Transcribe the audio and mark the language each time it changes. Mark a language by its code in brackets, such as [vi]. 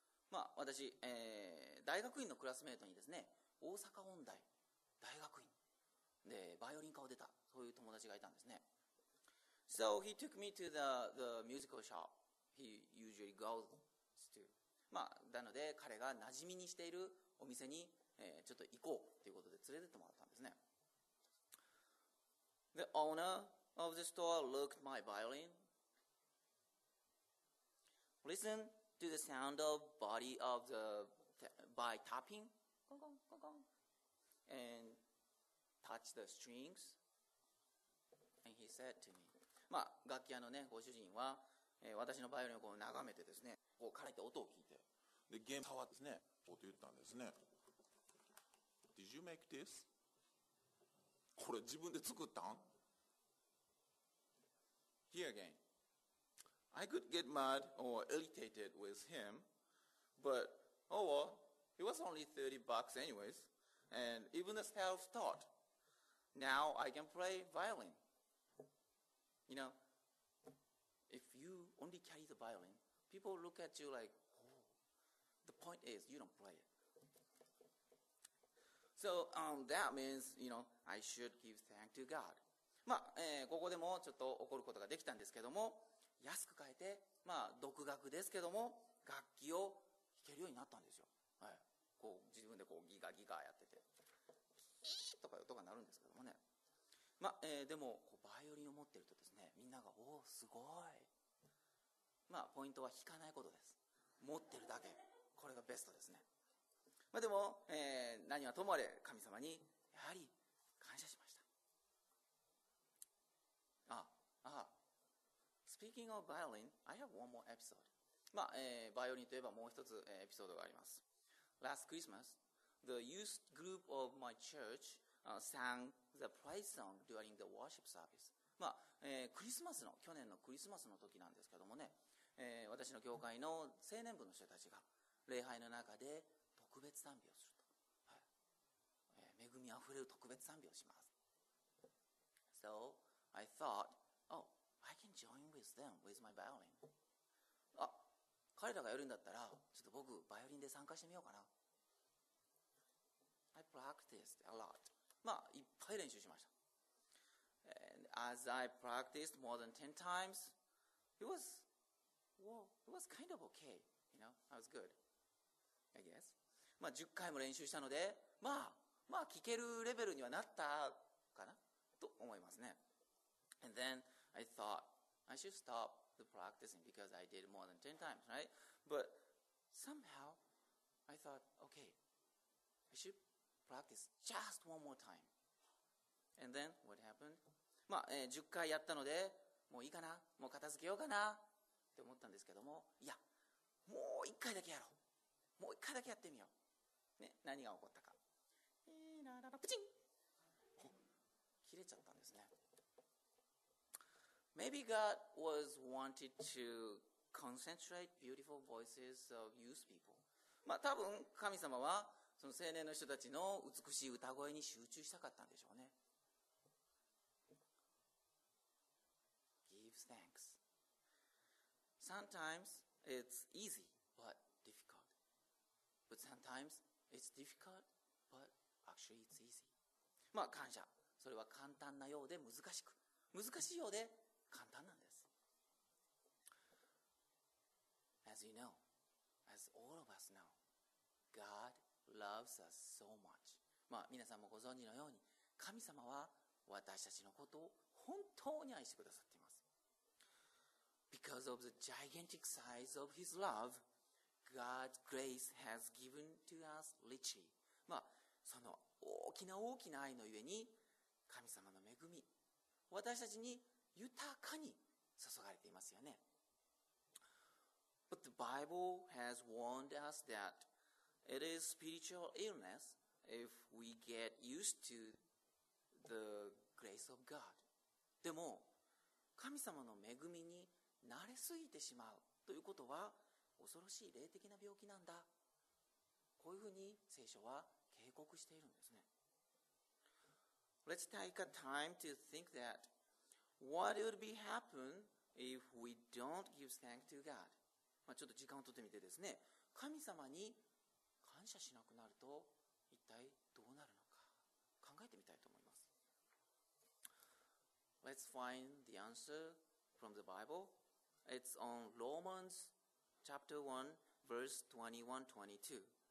[ja] まあ、私、大学院のクラスメートにですね、大阪音大大学院でバイオリン科を出たそういう友達がいたんですね。 [en] So he took me to the musical shop. He usually goes to. [ja] まあ、なので彼が馴染みにしているお店に、ちょっと行こうということで連れてってもらったんですね。 [en] The owner of the store looked my violin. Listen to the sound of body of the by tapping. Gong gong gong gong. And touch the strings. And he said to me. [ja] まあ、楽器屋のね、ご主人は私のバイオリンをこう眺めてですね、こう枯れて音を聞いて、で弦触ってですね、こうと言ったんですね。 [en] Did you make this? [ja] これ自分で作ったん [en] ？Here again, I could get mad or irritated with him, but oh well, it was only $30 anyways, and even the staff thought, now I can play violin. You know. If you only carry the violin, people look at you like, oh, the point is you don't play it. So, that means, you know, I should give thanks to God. [ja] まあ、ここでもちょっと怒ることができたんですけども、安く買えて、まあ、独学ですけども、楽器を弾けるようになったんですよ。はい。こう、自分でこうギガギガやってて、キーッとか音が鳴るんですけどもね。まあ、でもこうバイオリンを持ってるとですね、みんながおおすごい。まあポイントは弾かないことです。持ってるだけ、これがベストですね。まあでも、何はともあれ神様にやはり感謝しました。 [en] Speaking of violin, I have one more episode. [ja] まあ、バイオリンといえばもう一つ、エピソードがあります。 [en] Last Christmas, the youth group of my church. Sang the praise song during the worship service. [ja] まあ、クリスマスの去年のクリスマスの時なんですけどもね、私の教会の青年部の人たちが礼拝の中で特別賛美をすると、はい、恵みあふれる特別賛美をします。 [en] So I thought, oh, I can join with them with my violin. [ja] あ、彼らがやるんだったら、ちょっと僕バイオリンで参加してみようかな。 [en] I practiced a lot. [ja] まあ、いっぱい練習しました。 [en] And as I practiced more than 10 times, it was kind of okay. You know, I was good, I guess. [ja] まあ、10回も練習したので、まあ、まあ、聞けるレベルにはなったかなと思いますね。 [en] And then I thought, I should stop the practicing because I did more than 10 times, right? But somehow, I thought, okay, I shouldPractice just one more time. And then what happened? [ja] まあ、10回やったので、もういいかな、もう片付けようかなって思ったんですけども、いや、もう一回だけやろう。もう一回だけやってみよう。ね、何が起こったか。プチン。切れちゃったんですね。 [en] Maybe God was wanted to concentrate beautiful voices of youth people. [ja] まあ、多分神様はその青年の人たちの美しい歌声に集中したかったんでしょうね。 [en] Give thanks. Sometimes it's easy but difficult. But sometimes it's difficult but actually it's easy. [ja] まあ感謝。それは簡単なようで難しく。難しいようで簡単なんです。 [en] As you know, as all of us know, God loves us so much. [ja] まあ皆さんもご存知のように、神様は私たちのことを本当に愛してくださっています。 [en] Because of the gigantic size of His love, God's grace has given to us richly. [ja] まあその大きな大きな愛のゆえに、神様の恵み、私たちに豊かに注がれていますよね。 [en] But the Bible has warned us that it is spiritual illness if we get used to the grace of God. [ja] でも、神様の恵みに慣れすぎてしまうということは恐ろしい霊的な病気なんだ。こういうふうに聖書は警告しているんですね。 [en] Let's take a time to think that what would be happen if we don't give thanks to God. [ja] まあちょっと時間を取ってみてですね、神様に感謝しなくなると一体どうなるのか考えてみたいと思います。 [en] Let's find the answer from the Bible. It's on Romans chapter 1 verse 21-22.